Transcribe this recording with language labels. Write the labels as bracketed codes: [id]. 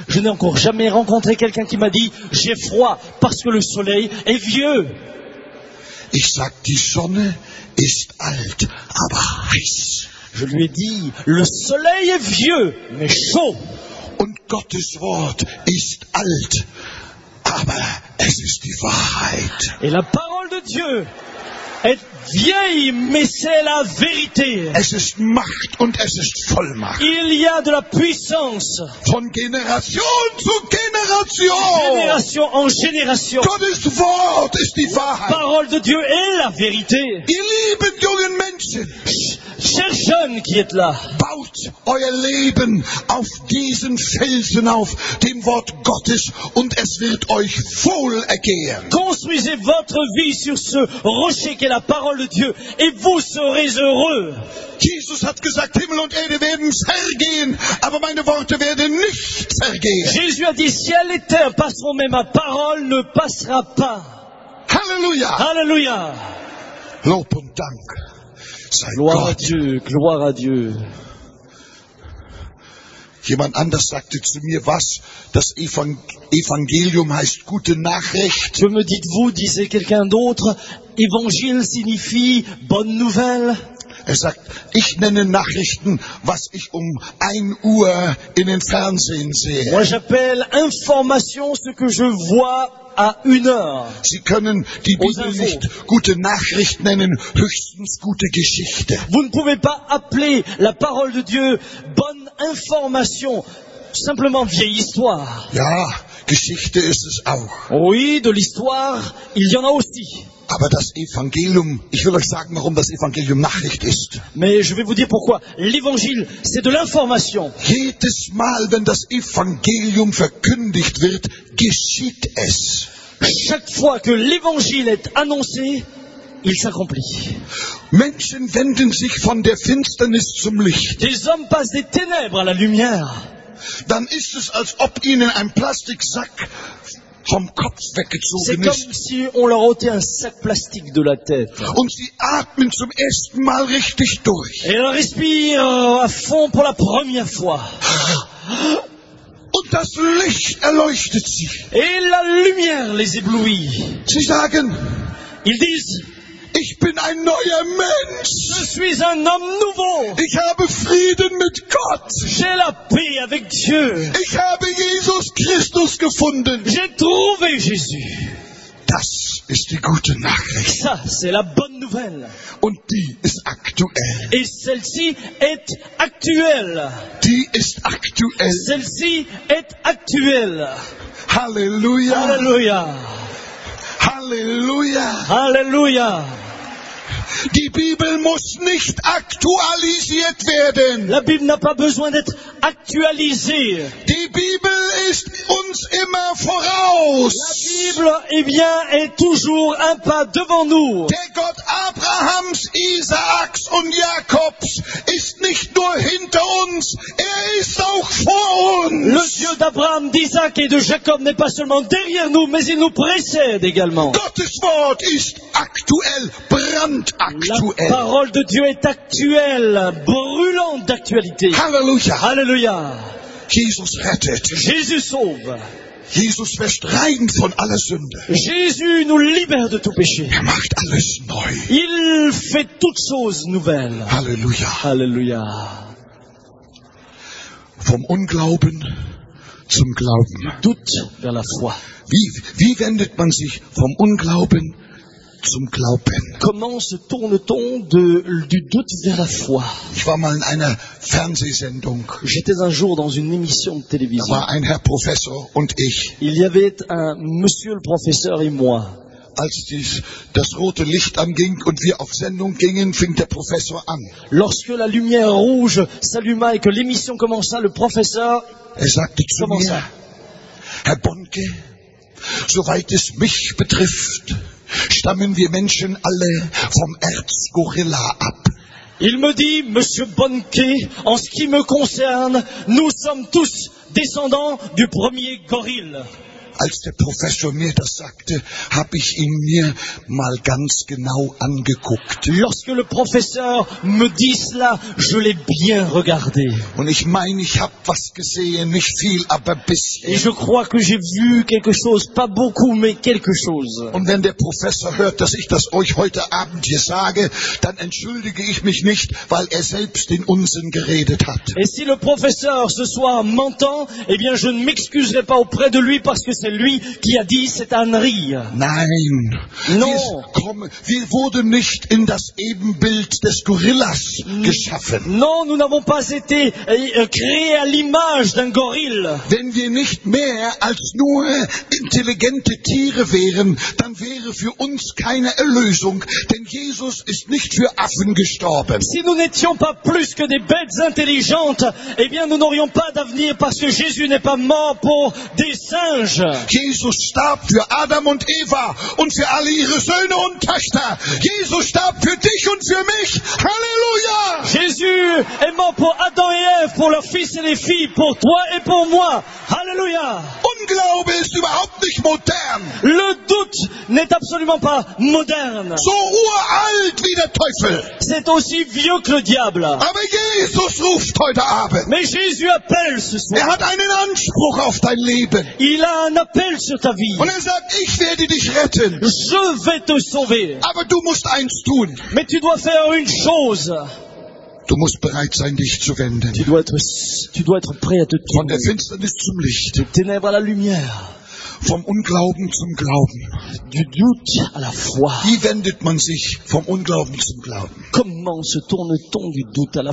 [fr] Je n'ai encore jamais rencontré quelqu'un qui m'a dit, j'ai froid, parce que le soleil est vieux. [de] Ich sag, die Sonne ist alt, aber heiß. [fr] Je lui ai dit, le soleil est vieux, mais chaud. [de] Und Gottes Wort ist alt, aber es ist die Wahrheit. [fr] Et la parole de Dieu est vieille, mais c'est la vérité. [de] Es ist Macht und es ist Vollmacht. [fr] Il y a de la puissance. [de] Von Generation zu Generation. [fr] Génération en génération. [de] Gottes Wort ist die Wahrheit. [fr] La parole de Dieu est la vérité. [de] Ihr lieben jungen Menschen. [fr] Cher jeune qui êtes là. [de] Baut euer Leben auf diesen Felsen auf, dem Wort Gottes, und es wird euch wohl ergehen. [fr] Construisez votre vie sur ce rocher qu'est la parole de Dieu, et vous serez heureux. [de] Jesus hat gesagt, Himmel und Erde werden zergehen, aber meine Worte werden nicht zergehen. [fr] Jésus a dit, ciel et terre passeront, mais ma parole ne passera pas. [de] Halleluja! [fr] Halleluja! [de] Lob und Dank. [fr] Gloire à Dieu, gloire à Dieu. [de] Jemand anders sagte zu mir, was das Evangelium heißt, gute Nachricht. [fr] Que me dites-vous, disait quelqu'un d'autre, Évangile signifie bonne nouvelle. [de] Er sagt, ich nenne Nachrichten, was ich um 1 Uhr in den Fernsehen sehe. [fr] Moi j'appelle information ce que je vois à 1 heure. [de] Sie können die Bibel nicht gute Nachricht nennen, höchstens gute Geschichte. [fr] Vous ne pouvez pas appeler la parole de Dieu bonne information, simplement vieille histoire. [de] Ja, Geschichte ist es auch. [fr] Oui, de l'histoire, il y en a aussi. [de] Aber das Evangelium, ich will euch sagen, warum das Evangelium Nachricht ist. [fr] Mais je vais vous dire pourquoi. L'évangile, c'est de l'information. [de] Jedes Mal, wenn das Evangelium verkündigt wird, geschieht es. [fr] Chaque fois que l'évangile est annoncé, il s'accomplit. [de] Menschen wenden sich von der Finsternis zum Licht. [fr] Des hommes passent des ténèbres à la lumière. [de] Dann ist es, als ob ihnen ein Plastiksack vom Kopf weggezogen. [fr] C'est comme si on leur ôtait un sac plastique de la tête. [de] Und sie atmen zum ersten Mal richtig durch. [fr] Et ils respirent à fond pour la première fois. [de] Und das Licht erleuchtet sie. [fr] Et la lumière les éblouit. [de] Sie sagen, [fr] ils disent, [de] ich bin ein neuer Mensch. [fr] Je suis un homme nouveau. [de] Ich habe Frieden mit Gott. [fr] J'ai la paix avec Dieu. [de] Ich habe Jesus Christus gefunden. [fr] J'ai trouvé Jésus. [de] Das ist die gute Nachricht. [fr] Ça, c'est la bonne nouvelle. [de] Und die ist aktuell. [fr] Et celle-ci est actuelle. [de] Die ist aktuell. [fr] Celle-ci est actuelle. [de] Halleluja. [fr] Halleluja. [de] Halleluja. [fr] Halleluja. [de] Die Bibel muss nicht aktualisiert werden. [fr] La Bible n'a pas besoin d'être actualisée. [de] Die Bibel ist uns immer voraus. [fr] La Bible, eh bien, est toujours un pas devant nous. [de] Der Gott Abrahams, Isaaks und Jakobs ist nicht nur hinter uns, er ist auch vor uns. [fr] Le Dieu d'Abraham, d'Isaac et de Jacob n'est pas seulement derrière nous, mais il nous précède également. [de] Gottes Wort ist aktuell, brandaktuell. [fr] La parole de Dieu est actuelle, brûlante d'actualité. [de] Halleluja. [fr] Halleluja. [de] Jesus rettet. [fr] Jésus sauve. [de] Jesus wäscht rein von aller Sünde. [fr] Jésus nous libère de tout péché. [de] Er macht alles neu. [fr] Il fait toutes choses nouvelles. [de] Halleluja. [fr] Halleluja. [de] Vom Unglauben zum Glauben. [fr] Doute vers la foi. [de] Wie wendet man sich vom Unglauben zum Glauben? [fr] Comment se tourne-t-on du doute vers la foi? [de] Ich war mal in einer Fernsehsendung. [fr] J'étais un jour dans une émission de télévision. [de] Da war ein Herr Professor und ich. [fr] Il y avait un monsieur le professeur et moi. [de] als dies, das rote Licht anging und wir auf Sendung gingen, fing der Professor an. [fr] Lorsque la lumière rouge s'alluma et que l'émission commença, le professeur commença. [de] Herr Bonnke, soweit es mich betrifft, stammen wir Menschen alle vom Erzgorilla ab. [fr] Il me dit, Monsieur Bonnke, en ce qui me concerne, nous sommes tous descendants du premier gorille. [de] Als der Professor mir das sagte, habe ich ihn mir mal ganz genau angeguckt. [fr] Lorsque le professeur me dit cela, je l'ai bien regardé. [de] Und ich meine, ich habe was gesehen, nicht viel, aber ein bisschen. [fr] Et je crois que j'ai vu quelque chose, pas beaucoup, mais quelque chose. [de] Und wenn der Professor hört, dass ich das euch heute Abend hier sage, dann entschuldige ich mich nicht, weil er selbst den Unsinn geredet hat. [fr] Et si le professeur ce soir m'entend, eh bien je ne m'excuserai pas auprès de lui parce que c'est lui qui a dit cette ânerie. [de] Nein. [fr] Non. [de] Wir wurden nicht in das Ebenbild des Gorillas geschaffen. [fr] Non, nous n'avons pas été créés à l'image d'un gorille. [de] Wenn wir nicht mehr als nur intelligente Tiere wären, dann wäre für uns keine Erlösung, denn Jesus ist nicht für Affen gestorben. [fr] Si nous n'étions pas plus que des bêtes intelligentes, eh bien nous n'aurions pas d'avenir parce que Jésus n'est pas mort pour des singes. [de] Jesus starb für Adam und Eva und für alle ihre Söhne und Töchter. Jesus starb für dich und für mich. Halleluja! [fr] Jésus est mort pour Adam et Ève, pour leurs fils et les filles, pour toi et pour moi. Halleluja! [de] Unglaube ist überhaupt nicht modern. [fr] Le doute n'est absolument pas moderne. [de] So uralt wie der Teufel. [fr] C'est aussi vieux que le diable. [de] Aber Jesus ruft heute Abend. [fr] Mais Jésus appelle ce soir. [de] Er hat einen Anspruch auf dein Leben. [fr] Il a un appel sur ta vie. [de] Und er sagt, ich werde dich retten. [fr] Je vais te sauver. [de] Aber du musst eins tun. [fr] Mais tu dois faire une chose. [de] Du musst bereit sein, dich zu wenden. [fr] Tu dois être prêt à te tourner. [de] Von der Finsternis zum Licht. [fr] De ténèbres à la lumière. [de] Vom Unglauben zum Glauben. [fr] Du doute à la foi. [de] Wie wendet man sich vom Unglauben zum Glauben? [fr] Comment se tourne-t-on du doute à la